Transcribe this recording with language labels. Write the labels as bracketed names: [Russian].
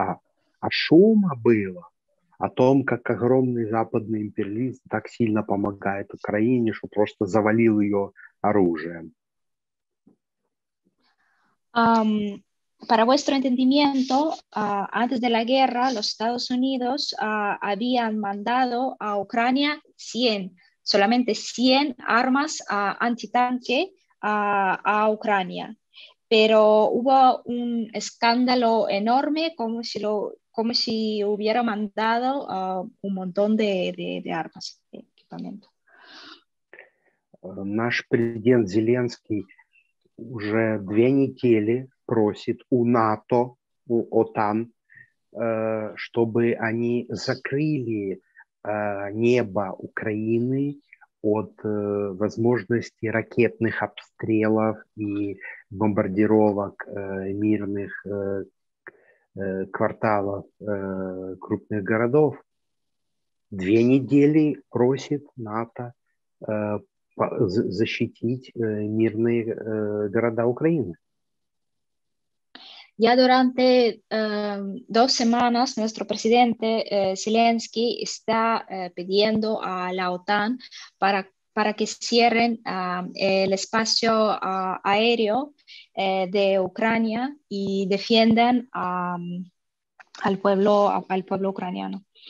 [Russian] А шума было о том, как огромный западный империалист так сильно помогает Украине, что просто завалил ее оружием. [Spanish] Para vuestro entendimiento, antes de la guerra, los Estados Unidos habían mandado a Ucrania 100, solamente 100 armas antitanque a Ucrania. Pero hubo un escándalo enorme, como si hubiera mandado un montón de armas, de equipamiento. [Russian] Наш президент Зеленский уже 2 недели просит у НАТО, у ОТАН, чтобы они закрыли небо Украины от возможности ракетных обстрелов и бомбардировок мирных кварталов крупных городов. 2 недели просит НАТО защитить мирные города Украины. [Spanish] Ya durante dos semanas nuestro presidente Zelensky está pidiendo a la OTAN para que cierren el espacio aéreo de Ucrania y defiendan al pueblo ucraniano.